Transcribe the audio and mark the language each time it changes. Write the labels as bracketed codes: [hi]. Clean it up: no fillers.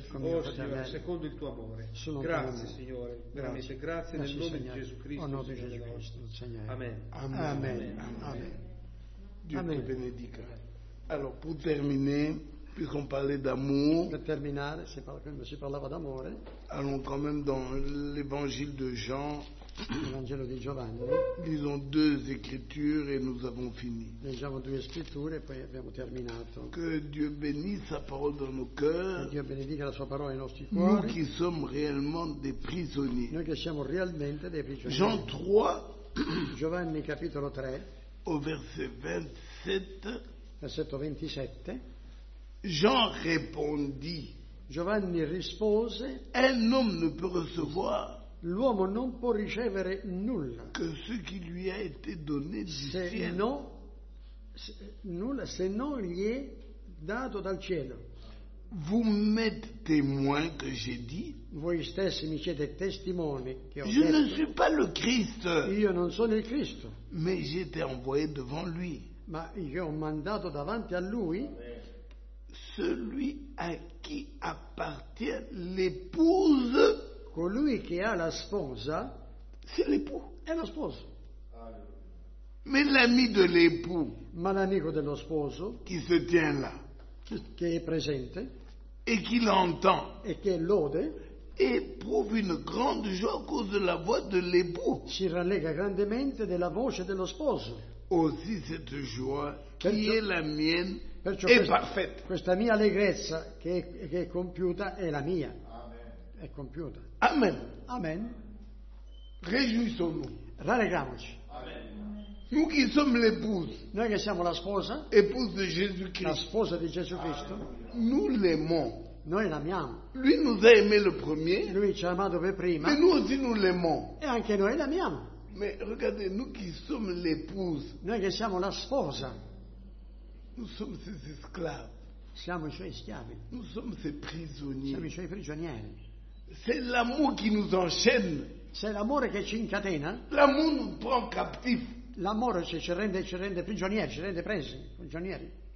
[it] Oh, Signore, secondo il tuo amore. Grazie, Signore, veramente grazie nel nome di Gesù Cristo. Nome di Gesù Cristo, Signore. Amen. Amen. Amen. Amen. Dio ti benedica. Allora, per terminare, [fr] puisque on parlait d'amour, [it] per terminare, si parlava d'amore. [fr] Allons quand même dans l'Évangile de Jean, [it] l'Evangelo di Giovanni. [fr] Lisons deux écritures et nous avons fini. [it] Leggiamo due scritture e poi abbiamo terminato. [fr] Que Dieu bénisse sa parole dans nos cœurs. [it] Che Dio benedica la sua parola nei nostri cuori. [fr] Nous qui sommes réellement des prisonniers. [it] Noi che siamo realmente dei prigionieri. [fr] Jean 3, [it] Giovanni capitolo 3, [fr] au verset 27. [it] Versetto 27. [fr] Jean répondit. [it] Giovanni rispose. [fr] Un homme ne peut recevoir. [it] L'uomo non può ricevere nulla. [fr] Que ce qui lui a été donné du [it] se [fr] ciel. [it] Non, se, nulla, se non gli è dato dal cielo. [fr] Vous m'êtes témoin que j'ai dit. [it] Voi stessi mi siete testimoni che ho [fr] je [it] detto. [fr] Je ne suis pas le Christ. [it] Io non sono il Cristo. [fr] Mais j'étais envoyé devant lui. [it] Ma io ho mandato davanti a lui. [fr] Celui à qui appartient l'épouse. [it] Colui che ha la sposa. [fr] C'est l'époux. [it] È lo sposo. [fr] Mais l'ami de l'époux. [it] Ma l'amico dello sposo. [fr] Qui se tient là. [it] Che è presente. [fr] Et qui l'entend. [it] E che l'ode. [fr] Éprouve une grande joie à cause de la voix de l'époux. [it] Si rallega grandemente della voce dello sposo. [fr] Aussi cette joie qui est la mienne. [it] Perciò è perfetta. Questa mia allegrezza che è compiuta è la mia. Amen. È compiuta. Amen. Amen. [fr] Réjouissons-nous. [it] Rallegramoci. Amen. [fr] Nous qui sommes l'épouse. [it] Noi che siamo la sposa. [fr] Épouse de Jésus-Christ. [it] La sposa di Gesù Cristo. [fr] Nous l'aimons. [it] Noi l'amiamo. [fr] Lui nous a aimé le premier. [it] Lui ci ha amato per prima. [fr] Mais nous aussi nous l'aimons. [it] E anche noi l'amiamo. [fr] Mais regardez, nous qui sommes l'épouse. [it] Noi che siamo la sposa. [fr] Nous sommes ses esclaves. [it] Siamo i suoi schiavi. [fr] Nous sommes ses prisonniers. [it] Siamo i suoi prigionieri. [fr] C'est l'amour qui nous enchaîne. C'est [it] l'amore che ci incatena. [fr] L'amour nous prend captif. [it] L'amore ci rende prigionieri, ci rende presi, prigionieri.